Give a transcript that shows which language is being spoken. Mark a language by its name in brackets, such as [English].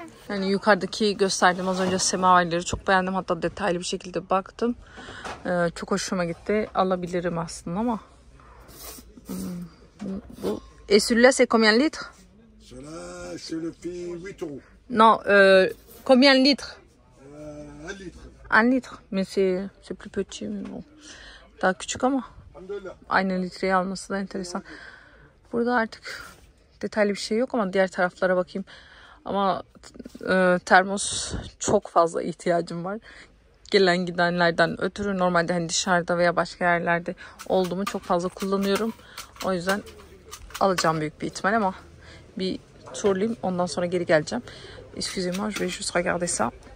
[Turkish] Yani yukarıdaki gösterdim az önce semaverleri çok beğendim. Hatta detaylı bir şekilde baktım. Çok hoşuma gitti. Alabilirim aslında ama. Bu [French] et celui-là c'est combien de litres? Celui-là c'est le prix 8 euros. Non, combien de litres? 1 litre. 1 litre. Mais c'est plus petit mais bon. [Turkish] Daha küçük ama. Aynı litreyi alması da enteresan. Burada artık detaylı bir şey yok ama diğer taraflara bakayım. Ama termos çok fazla ihtiyacım var. Gelen gidenlerden ötürü normalde hani dışarıda veya başka yerlerde olduğumu çok fazla kullanıyorum. O yüzden alacağım büyük bir ihtimal ama bir turlayayım ondan sonra geri geleceğim. [French] Excusez-moi, je vais juste regarder ça.